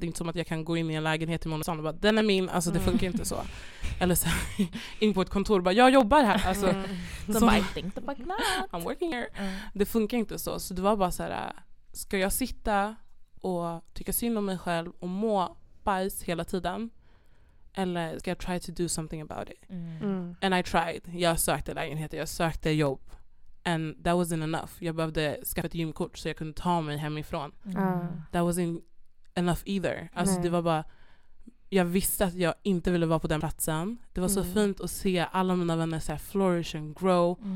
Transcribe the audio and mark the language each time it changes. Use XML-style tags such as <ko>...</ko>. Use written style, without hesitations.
<sv>Det är inte som att jag kan gå in i en lägenhet imorgon och säga den är min, alltså det funkar inte så. Eller så in på ett kontor och bara jag jobbar här. Alltså,</sv> <en>I think the fuck not. I'm working here.</en> <sv>Det funkar inte så. Så det var bara så här, ska jag sitta och tycka synd om mig själv och må bajs hela tiden? Eller ska jag</sv> <en>try to do something about it? And I tried.</en> <sv>Jag sökte lägenheter, jag sökte jobb.</sv> <en>And that wasn't enough.</en> <sv>Jag behövde skaffa ett gymkort så jag kunde ta mig hemifrån.</sv> <en>That wasn't enough either.</en> <sv>Alltså det var bara, jag visste att jag inte ville vara på den platsen. Det var så fint att se alla mina vänner så här</sv> <en>flourish and grow.</en>